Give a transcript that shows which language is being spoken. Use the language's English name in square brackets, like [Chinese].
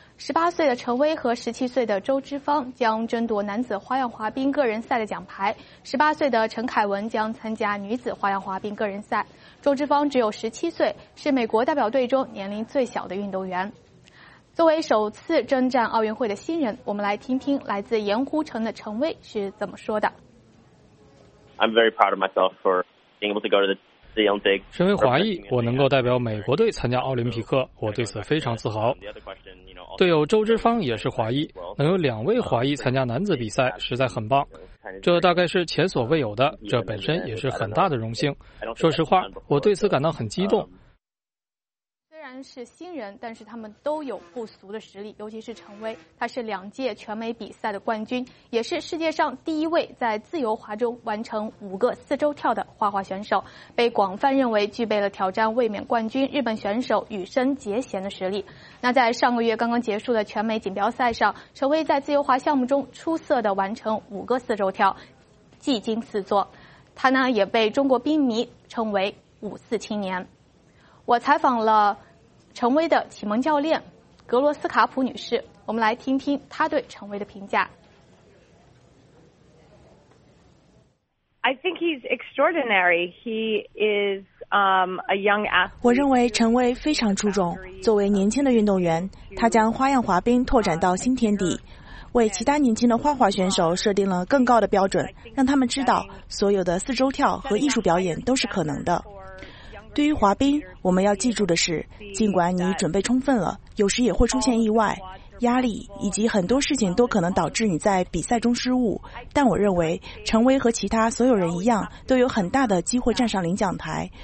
[Chinese] 18岁的陈威和17岁的周之芳将争夺男子花样滑冰个人赛的奖牌，18岁的陈凯文将参加女子花样滑冰个人赛。周之芳只有17岁，是美国代表队中年龄最小的运动员。作为首次征战奥运会的新人，我们来听听来自盐湖城的陈威是怎么说的。 [English] I'm very proud of myself for being able to go to the Olympics. [Chinese] 身为华裔，我能够代表美国队参加奥林匹克，我对此非常自豪。队友周之芳也是华裔，能有2位华裔参加男子比赛，实在很棒。这大概是前所未有的，这本身也是很大的荣幸。说实话，我对此感到很激动。是新人，但是他们都有不俗的实力，尤其是陈威，他是2届全美比赛的冠军，也是世界上第一位在自由滑中完成5个四周跳的花滑选手，被广泛认为具备了挑战卫冕冠军日本选手羽生结弦的实力。那在上个月刚刚结束的全美锦标赛上，陈威在自由滑项目中出色地完成5个四周跳，技惊四座，他呢也被中国冰迷称为五四青年。我采访了陈威的启蒙教练格罗斯卡普女士，我们来听听她对陈威的评价。 [English] I think he's extraordinary. He is a young athlete. [Chinese] 我认为陈威非常出众。作为年轻的运动员，他将花样滑冰拓展到新天地，为其他年轻的花滑选手设定了更高的标准，让他们知道所有的四周跳和艺术表演都是可能的。对于滑冰，我们要记住的是，尽管你准备充分了，有时也会出现意外，压力以及很多事情都可能导致你在比赛中失误，但我认为陈威和其他所有人一样，都有很大的机会站上领奖台。